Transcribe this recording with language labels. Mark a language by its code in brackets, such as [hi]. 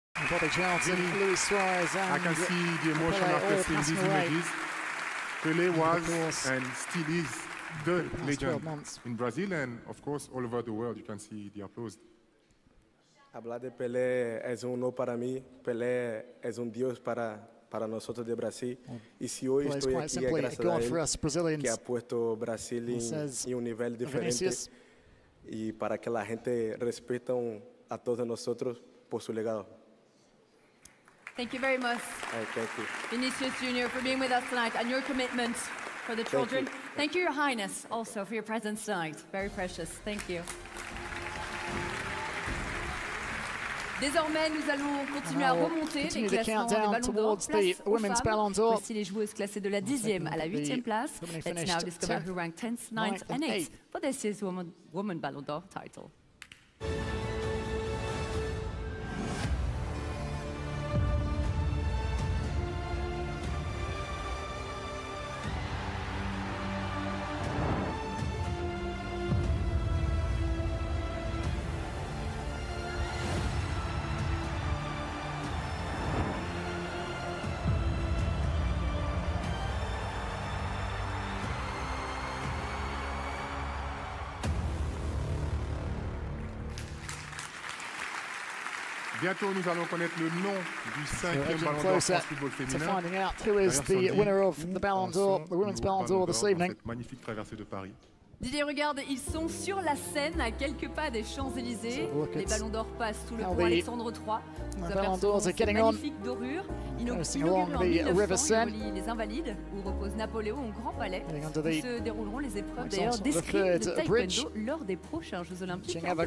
[en] Bobby Charlton, Luis Suarez, and I can see the emotion after seeing these images. Pelé was and still is the legend in Brazil and, of course, all over the world. You can see the applause. [es] Hablar de Pelé es un honor para mí. Pelé es un dios para nosotros de Brasil. Y si hoy estoy aquí es gracias a él que ha puesto Brasil en un nivel diferente y para que la gente respete a todos nosotros por su legado. [en] Thank you very much, thank you. Vinicius Jr., for being with us tonight and your commitment for the children. Thank you. Thank you, Your Highness, also for your presence tonight. Very precious. Thank you. [fr] Désormais, nous allons continuer à remonter les classements des Ballons d'Or. [en] Towards the women's Ballon d'Or. [fr] Voici les joueuses classées de la 10e à la 8e place. [en] Let's now discover who ranked 10th, 9th, and 8th for this year's Women Ballon d'Or title. [fr] Bientôt, nous allons connaître le nom du cinquième Ballon d'Or France Football féminin. [en] To finding out who is the winner of the Ballon d'Or, the women's Ballon d'Or this evening. [fr] Magnifique traversée de Paris. Didier, regarde, ils sont sur la scène à quelques pas des Champs-Élysées. Les Ballons d'Or passent sous le pont Alexandre III. Nous apercevons cette magnifique dorure inaugurée en 1900, les Invalides, où repose Napoléon au Grand Palais. Où se dérouleront les épreuves d'ailleurs d'escrime de taekwondo lors des prochains Jeux Olympiques.